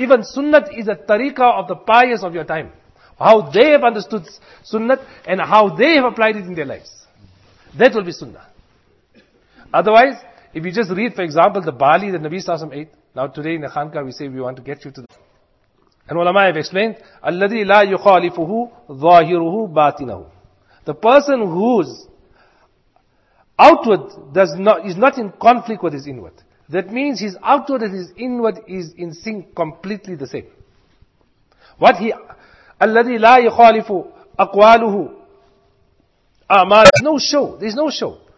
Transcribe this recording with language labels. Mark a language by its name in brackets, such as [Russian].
[English] Even sunnat is a tariqah of the pious of your time. How they have understood sunnat and how they have applied it in their lives. That will be sunnah. Otherwise, if you just read, for example, the barley that Nabi Sallallahu Alaihi Wasallam ate. Now today in the Khanka we say we want to get you to the... And ulama have explained, [Arabic] الَّذِي لَا يُخَالِفُهُ ظَاهِرُهُ بَاطِنَهُ. [English] The person whose outward is not in conflict with his inward. That means his outward and his inward is in sync, completely the same. What he, [Arabic] الَّذِي لَا يُخَالِفُ أَقْوَالُهُ أَعْمَالُهُ. [English] No show, there is no show.